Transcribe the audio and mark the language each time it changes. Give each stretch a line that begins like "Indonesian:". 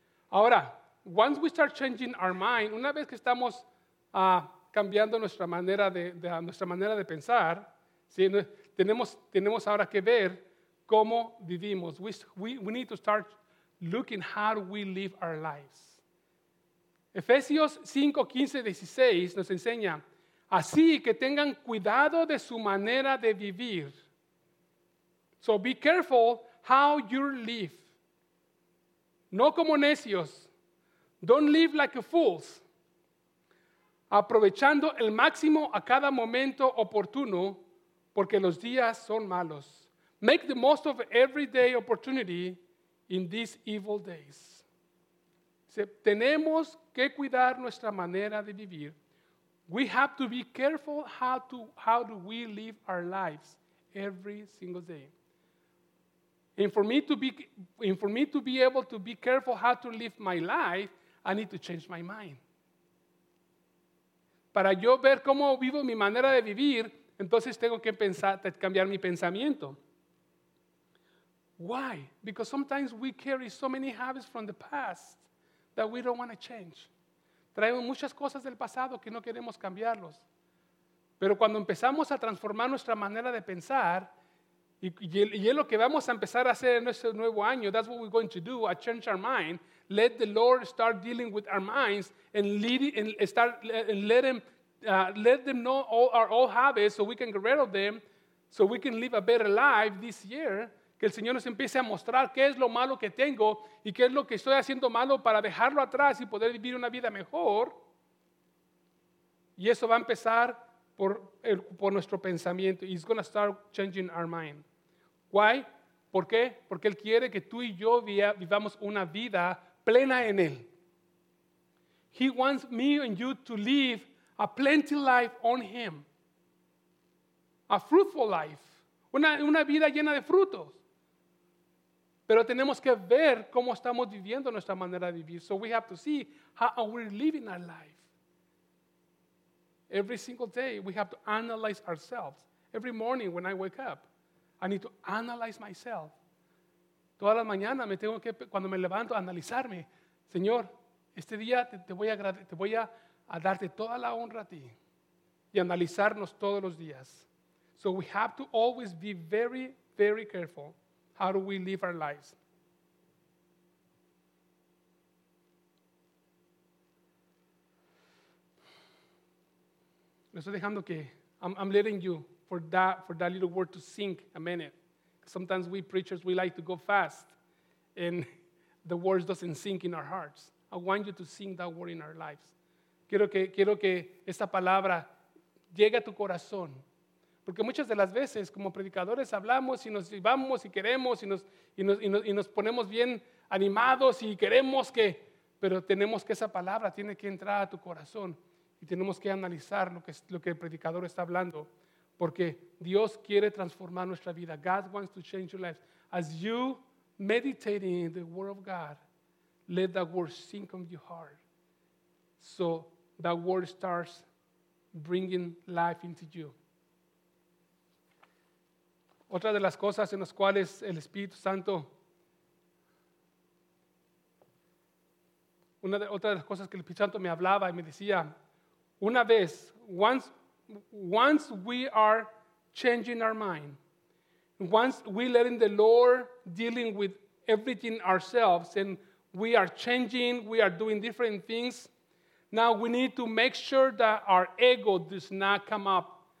Spanish: Ahora,
English: once we start changing our mind,
Spanish: una vez que estamos cambiando nuestra manera de pensar, ¿sí? tenemos ahora que ver cómo vivimos.
English: We need to start looking how we live our lives.
Spanish: Efesios 5, 15, 16 nos enseña, así que tengan cuidado de su manera de vivir.
English: So be careful how you live.
Spanish: No como necios.
English: Don't live like fools.
Spanish: Aprovechando el máximo a cada momento oportuno, porque los días son malos.
English: Make the most of every day opportunity in these evil days.
Spanish: So, tenemos que cuidar nuestra manera de vivir.
English: We have to be careful how do we live our lives every single day. And for me to be able to be careful how to live my life, I need to change my mind.
Spanish: Para yo ver cómo vivo mi manera de vivir, entonces tengo que cambiar mi pensamiento.
English: Why? Because sometimes we carry so many habits from the past that we don't want to change.
Spanish: Traemos muchas cosas del pasado que no queremos cambiarlos. Pero cuando empezamos a transformar nuestra manera de pensar, y es lo que vamos a empezar a hacer en este nuevo año,
English: that's what we're going to do, a change our mind. Let the Lord start dealing with our minds and let them know all our habits so we can get rid of them, so we can live a better life this year.
Spanish: Que el Señor nos empiece a mostrar qué es lo malo que tengo y qué es lo que estoy haciendo malo para dejarlo atrás y poder vivir una vida mejor. Y eso va a empezar por nuestro pensamiento.
English: He's going to start changing our mind. Why?
Spanish: ¿Por qué? Porque Él quiere que tú y yo vivamos una vida plena en Él.
English: He wants me and you to live a plenty life on Him. A fruitful life.
Spanish: Una vida llena de frutos. Pero tenemos que ver cómo estamos viviendo nuestra manera de vivir.
English: So we have to see how we're living our life. Every single day, we have to analyze ourselves. Every morning when I wake up, I need to analyze myself.
Spanish: Todas las mañanas, me tengo que, cuando me levanto, analizarme. Señor, este día te voy a darte toda la honra a ti. Y analizarnos todos los días.
English: So we have to always be very, very careful. How do we live our lives?
Spanish: Estoy dejando que
English: I'm letting you for that little word to sink a minute. Sometimes we preachers, we like to go fast and the words doesn't sink in our hearts. I want you to sink that word in our lives.
Spanish: Quiero que esta palabra llegue a tu corazón. Porque muchas de las veces, como predicadores, hablamos y nos vamos y queremos y nos ponemos bien animados y queremos que, pero tenemos que esa palabra tiene que entrar a tu corazón y tenemos que analizar lo que el predicador está hablando, porque Dios quiere transformar nuestra vida.
English: God wants to change your life. As you meditating in the Word of God, let that Word sink on your heart, so that Word starts bringing life into you.
Spanish: Otra de las cosas en las cuales el Espíritu Santo, otra de las cosas que el Espíritu Santo me hablaba y me decía, una vez,
English: once we are changing our mind, once we letting the Lord dealing with everything ourselves and we are changing, we are doing different things, now we need to make sure that our ego does not come up.